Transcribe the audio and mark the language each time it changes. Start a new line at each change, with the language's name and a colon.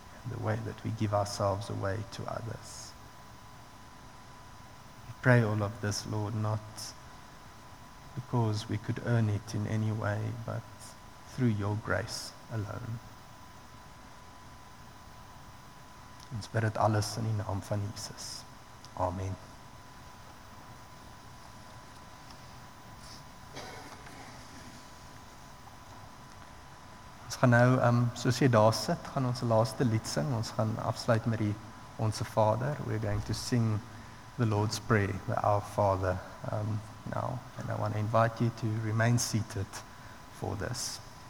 English: the way that we give ourselves away to others. We pray all of this, Lord, not because we could earn it in any way, but through your grace alone.
Afrikaans: Ons bid dit alles in die naam van Jesus. Amen. Ons gaan nou, soos jy daar sit, gaan ons laaste lied sing. Ons gaan afsluit met die Onse Vader.
English: We're going to sing the Lord's Prayer, the Our Father, now. And I want to invite you to remain seated for this.